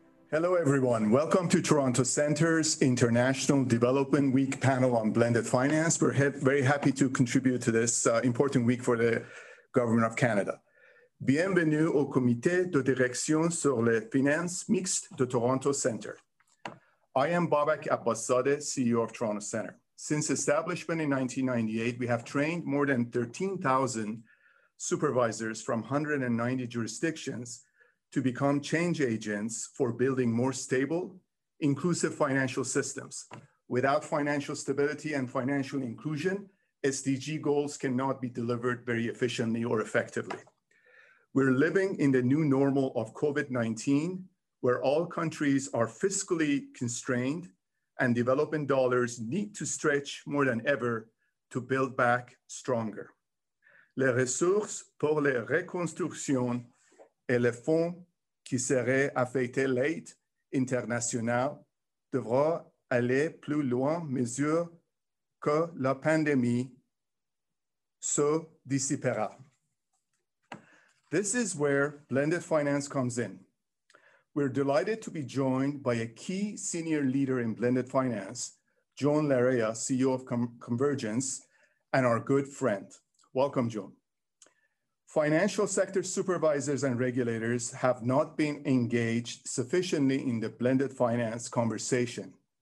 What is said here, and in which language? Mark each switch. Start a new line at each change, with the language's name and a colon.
English: Hello, everyone. Welcome to Toronto Centre's International Development Week panel on blended finance. We're very happy to contribute to this important week for the Government of Canada.
French: Bienvenue au Comité de Direction sur les Finances Mixtes de Toronto Centre.
English: I am Babak Abbaszadeh, CEO of Toronto Centre. Since establishment in 1998, we have trained more than 13,000 supervisors from 190 jurisdictions to become change agents for building more stable, inclusive financial systems. Without financial stability and financial inclusion, SDG goals cannot be delivered very efficiently or effectively. We're living in the new normal of COVID-19, where all countries are fiscally constrained and development dollars need to stretch more than ever to build back stronger.
French: Les ressources pour la reconstruction et le fonds qui serait affecté l'aide internationale devra aller plus loin mesure que la pandémie se dissipera.
English: This is where blended finance comes in. We're delighted to be joined by a key senior leader in blended finance, John Larea, CEO of Convergence, and our good friend. Welcome, John. Financial sector supervisors and regulators have not been engaged sufficiently in the blended finance conversation.